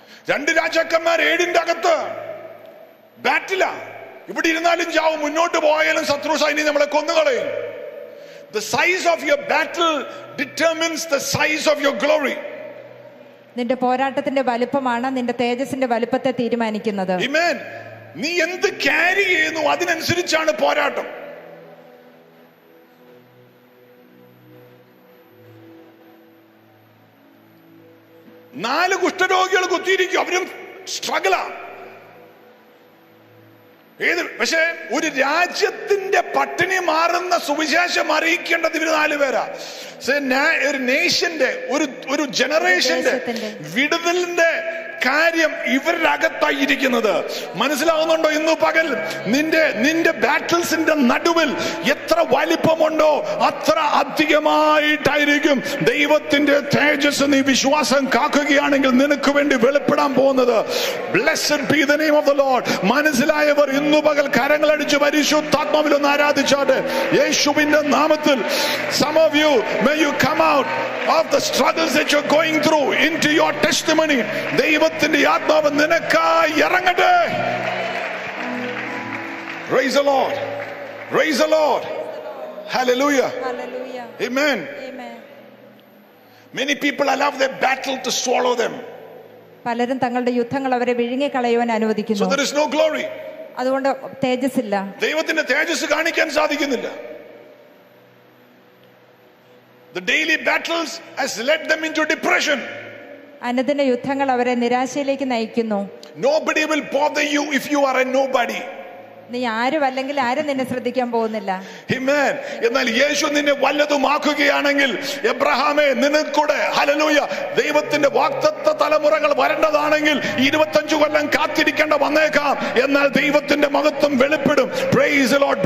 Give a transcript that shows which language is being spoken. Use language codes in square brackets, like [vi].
[ml] രണ്ട് രാജാക്കന്മാർ ഏഴിന്റെ അകത്ത് ബാറ്റിലാ, ഇവിടെ ഇരുന്നാലും ചാവും, മുന്നോട്ട് പോയാലും ശത്രു സൈന്യം നമ്മളെ കൊന്നുകളയും. [en] The size of your battle determines the size of your glory. [ml] നിന്റെ പോരാട്ടത്തിന്റെ വലുപ്പമാണ് നിന്റെ തേജസിന്റെ വലുപ്പത്തെ തീരുമാനിക്കുന്നത്. Amen. നീ എന്ത് കാരി ചെയ്യുന്നു അതിനനുസരിച്ചാണ് പോരാട്ടം. നാല് കുഷ്ഠരോഗികൾ കുത്തിയിരിക്കും, അവരും സ്ട്രഗിളാ. ഏത് പക്ഷേ ഒരു രാജ്യത്തിന്റെ പട്ടിണി മാറുന്ന സുവിശേഷം അറിയിക്കേണ്ടത് ഇവര് നാല് പേരാ. ഒരു നേഷന്റെ, ഒരു ഒരു ജനറേഷന്റെ വിടുതലിന്റെ കാര്യം ഇവരകത്തായിരിക്കുന്നത്. മനസ്സിലാവുന്നുണ്ടോ? ഇന്ന് പകൽ നിന്റെ നിന്റെ ബാറ്റിൽസിന്റെ നടുവിൽ എത്ര വലിപ്പമുണ്ടോ അത്ര അധികമായിട്ടായിരിക്കും ദൈവത്തിന്റെ തേജസ്. നീ വിശ്വാസം കാക്കുകയാണെങ്കിൽ നിനക്ക് വേണ്ടി വെളിപ്പെടാൻ പോകുന്നത്. [en] Blessed be the name of the Lord. [ml] മനസ്സിലായവർ ഇന്ന് പകൽ കരങ്ങളടിച്ച് പരിശുദ്ധാത്മാവിലൊന്ന് ആരാധിച്ചാട്ടെ യേശുവിന്റെ നാമത്തിൽ. [en] Some of you, may you come out of the struggles that you're going through into your testimony. [ml] ദൈവത്തിന്റെ ആത്മാവ് നിനക്കായി ഇറങ്ങട്ടെ. [en] Praise the Lord, praise the Lord. Hallelujah, hallelujah. Amen, amen. Many people allow their battle to swallow them. [ml] പലരും തങ്ങളുടെ യുദ്ധങ്ങൾ അവരെ വിഴുങ്ങി കളയുവാൻ അനുവദിക്കുന്നു. [en] So there is no glory. [ml] അതുകൊണ്ട് തേജസ് ഇല്ല, ദൈവത്തിന്റെ തേജസ് കാണിക്കാൻ സാധിക്കുന്നില്ല. [en] The daily battles has led them into depression. [ml] അനദിന യുദ്ധങ്ങൾ അവരെ നിരാശയിലേക്ക് നയിക്കുന്നു. [en] Nobody will bother you if you are a nobody. [ml] നീ ആരും അല്ലെങ്കിൽ ആരും നിന്നെ ശ്രദ്ധിക്കാൻ പോകുന്നില്ല. ഹിമേൻ. എന്നാൽ യേശു നിന്നെ വല്ലതുമാക്കുകയാണെങ്കിൽ എബ്രഹാമേ നിനക്കൂടെ, ഹല്ലേലൂയ, ദൈവത്തിന്റെ വാഗ്ദത്ത തലമുറകൾ വരേണ്ടതാണെങ്കിൽ 25 കൊല്ലം കാത്തിരിക്കേണ്ട വന്നേക്കാം, എന്നാൽ ദൈവത്തിന്റെ മഹത്വം വെളിപ്പെടും. [en] Praise the Lord.